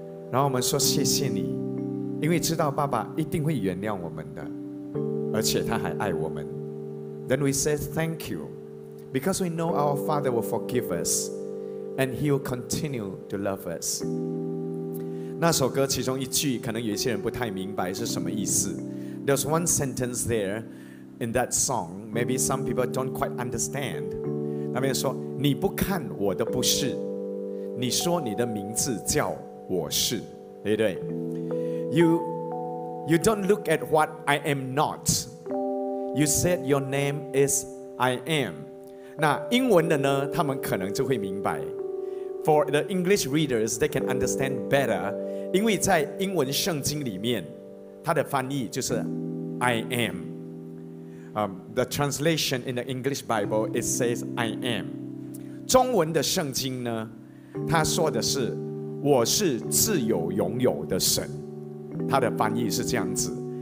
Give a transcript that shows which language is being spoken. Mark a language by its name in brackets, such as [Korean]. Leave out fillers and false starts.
[Chinese] 然后我们说谢谢你，因为知道爸爸一定会原谅我们的，而且他还爱我们。 [English] Then we say thank you, because we know our Father will forgive us and He will continue to love us. [Chinese] 那首歌其中一句可能有些人不太明白是什么意思。 [English] There's one sentence there in that song, maybe some people don't quite understand. [Chinese] 那边说你不看我的不是，你说你的名字叫我是，对不对？ [English] You don't look at what I am not. You said your name is I am. [Chinese] 那英文的呢，他们可能就会明白。 [English] For the English readers, they can understand better. [Chinese] 因为在英文圣经里面，它的翻译就是 I am. [English] The translation in the English Bible, it says I am. [Chinese] 中文的圣经呢，它说的是我是自有拥有的神，他的翻译是这样子。